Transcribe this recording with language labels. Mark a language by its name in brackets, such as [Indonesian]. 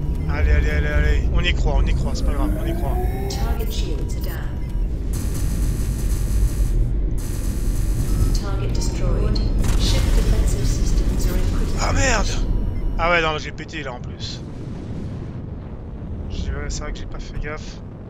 [French] Allez, allez, allez, allez. On y croit, c'est pas grave, on y croit. [English] Target shields are down. Target destroyed. Ship defensive systems are in critical. [French] Ah merde! Ah ouais, non, j'ai pété là en plus. C'est vrai que j'ai pas fait gaffe.